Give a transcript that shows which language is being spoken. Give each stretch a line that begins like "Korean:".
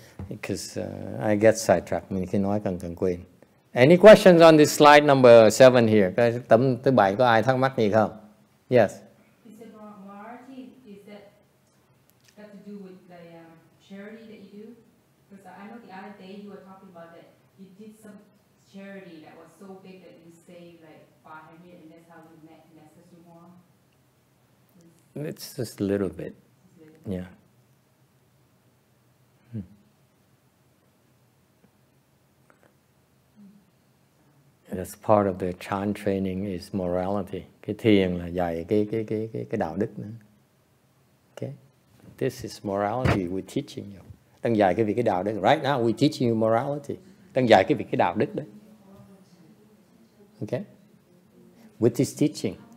English: Because I get sidetracked.
Vietnamese: Mình khi nói cần quên.
English: Any questions on this slide number 7 here?
Vietnamese: Cái tấm thứ bảy có ai thắc mắc gì không?
English: Yes. Is the morality, is that got to do with the charity that you do? Because I know the other day you were talking about that you did some charity that was so big that you saved like 500 and that's how you met Master XuanHua. It's just a little bit. Yeah. That's part of the chan training is morality.
Vietnamese: Cái thiền là dạy cái đạo đức nữa. Okay?
English: This is morality we're teaching you.
Vietnamese: Đang dạy cái việc cái đạo đức.
English: Right now we're teaching you morality.
Vietnamese: Đang dạy cái việc cái đạo đức đấy.
English: Okay? With this teaching.